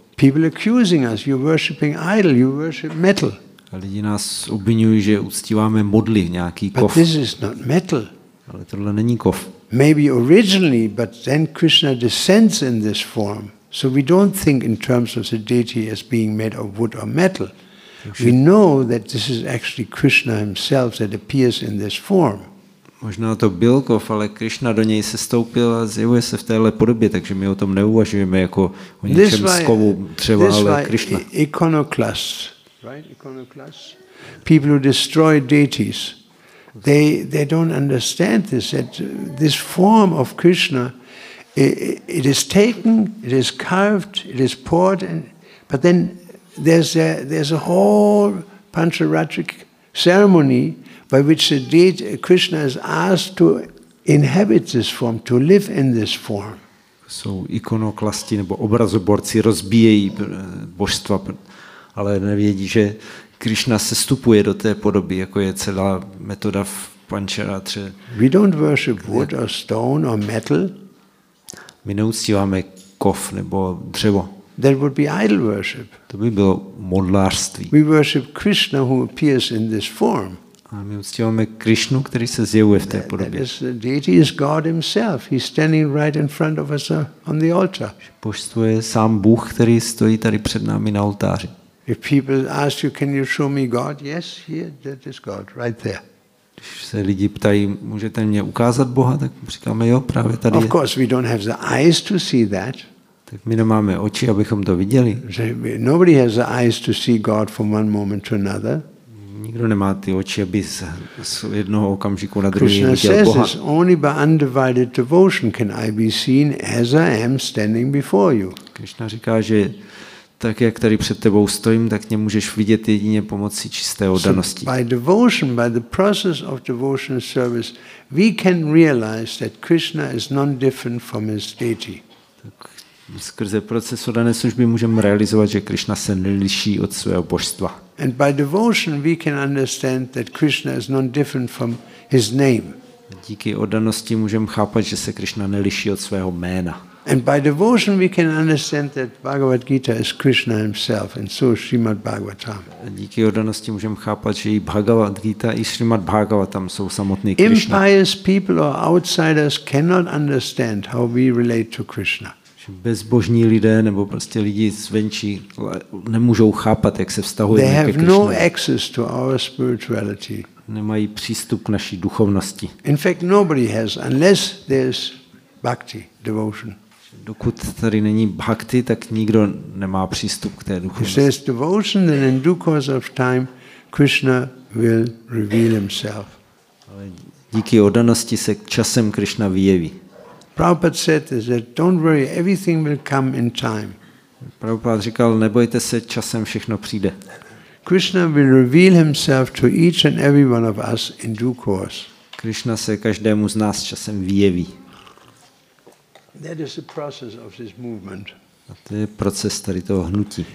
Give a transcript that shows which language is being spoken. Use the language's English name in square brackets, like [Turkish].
[English] People accusing us, you're worshiping idol, you worship metal. [Czech] A lidi nás obvinují, že uctíváme modly, nějaký kov. [English] But this is not metal. [Czech] Ale tohle není kov. [English] Maybe originally, but then Krishna descends in this form. So we don't think in terms of the deity as being made of wood or metal. We know that this is actually Krishna himself that appears in this form. [Czech] Možná to byl kov, ale Krishna do něj sestoupil a zjevuje se v téhle podobě, takže my o tom neuvažujeme jako o něčem z kovu, třeba ale Krishna. [English] Iconoclasts, right? Iconoclasts. People who destroy deities. They don't understand this, that this form of Krishna, it is taken, it is carved, it is poured, but then there's a whole pancharatric ceremony by which the deity Krishna is asked to inhabit this form, to live in this form. [Czech] So ikonoklasti nebo obrazoborci rozbíjejí božstva, ale nevědí, že Krishna se stupuje do té podoby, jako je celá metoda v pancharatře. [English] We don't worship wood or stone or metal. [Czech] My neuctíváme kov nebo dřevo. [English] That would be idol worship. [Czech] To by bylo modlářství. [English] We worship Krishna who appears in this form. [Czech] A my uctíváme Krishnu, který se zjevuje v té podobě. [English] The deity is God himself. He's standing right in front of us on the altar. [Czech] Božstvo je sám Bůh, který stojí tady před námi na oltáři. [English] If people ask you, can you show me God? Yes, here, that is God, right there. [Czech] Když se lidi ptají, můžete mě ukázat Boha, tak říkáme, jo, právě tady. [English] Of course, we don't have the eyes to see that. [Czech] Tak my nemáme oči, abychom to viděli. [English] Nobody has the eyes to see God from one moment to another. [Czech] Nikdo nemá ty oči, aby z jednoho okamžiku na druhý viděl Boha. [English] Krishna says, only by undivided devotion can I be seen as I am standing before you. [Czech] Krishna říká, že tak jak tady před tebou stojím, tak mě můžeš vidět jedině pomocí čisté oddanosti. [English] By devotion, by the process of devotional service, we can realize that Krishna is non-different from his deity. [Czech] Tak skrze proces oddané služby můžeme realizovat, že Krishna se neliší od svého božstva. [English] And by devotion we can understand that Krishna is non-different from his name. [Czech] Díky oddanosti můžeme chápat, že se Krishna neliší od svého jména. [English] And by devotion we can understand that Bhagavad Gita is Krishna himself and so Srimad Bhagavatam. [Czech] Díky oddanosti můžeme chápat, že i Bhagavad Gita i Srimad Bhagavatam jsou samotný Krishna. [English] Impious people or outsiders cannot understand how we relate to Krishna. [Czech] Bezbožní lidé nebo prostě lidi zvenčí nemůžou chápat, jak se vztahujeme ke Krishna. [English] They have no access to our spirituality. [Czech] Nemají přístup k naší duchovnosti. [English] In fact nobody has unless there's bhakti, devotion. [Czech] Dokud tady není bhakti, tak nikdo nemá přístup k té duchovnosti. [English] If there's devotion, then in due course of time, Krishna will reveal himself. [Czech] Ale díky oddanosti se časem Krishna vyjeví. [English] Prabhupada said that don't worry, everything will come in time. [Czech] Prabhupada říkal, nebojte se, časem všechno přijde. [English] Krishna will reveal himself to each and every one of us in due course. [Czech] Krishna se každému z nás časem vyjeví. [English] That is the process of this movement. [Czech] A to je proces tady toho hnutí.